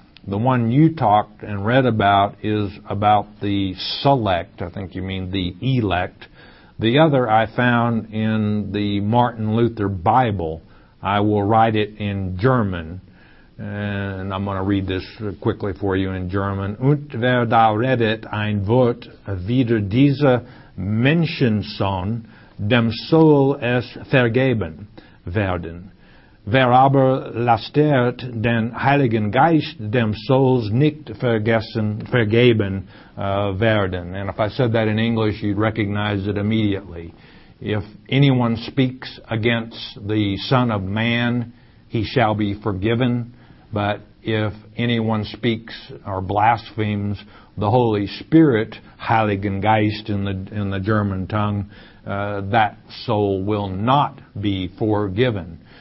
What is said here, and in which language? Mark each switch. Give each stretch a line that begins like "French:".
English: The one you talked and read about is about the select, I think you mean the elect. The other I found in the Martin Luther Bible. I will write it in German. And I'm going to read this quickly for you in German.
German: Und wer da redet ein Wort wider diese Menschensohn, dem soll es vergeben werden. Wer aber lastert den Heiligen Geist, dem soll es nicht vergeben werden.
English: And if I said that in English, you'd recognize it immediately. If anyone speaks against the Son of Man, he shall be forgiven. But if anyone speaks or blasphemes the Holy Spirit,
German: Heiligen Geist
English: in the German tongue, that soul will not be forgiven.